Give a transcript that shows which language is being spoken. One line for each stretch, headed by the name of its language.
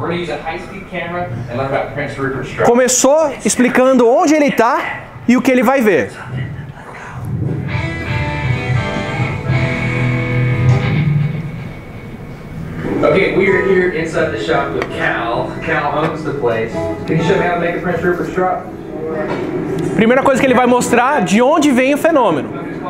English: We're gonna use a high-speed camera and learn about Prince Rupert's drop.
Portuguese: Começou explicando onde ele está e o que ele vai ver.
English: Okay, we are here inside the shop with Cal. Cal owns the place. Can you show me how to make a Prince Rupert's drop?
Portuguese: Primeira coisa que ele vai mostrar, de onde vem o fenômeno.